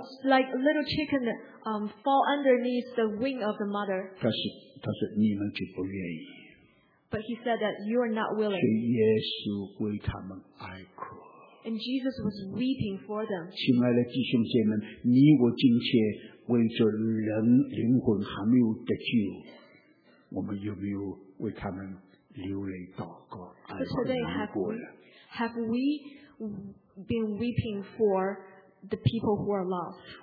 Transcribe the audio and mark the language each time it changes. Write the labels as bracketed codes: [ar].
[en] It's like a little chicken fall underneath the wing of the mother. [zh] 但是你们就不愿意。 [en] But he said that you are not willing. [zh] 是耶稣为他们哀哭。 [en] And Jesus was weeping for them. [zh] 亲爱的弟兄姐们, 你我今天为着人, 灵魂还没有得救, 我们有没有为他们 [en] So today, have we been weeping for the people who are lost?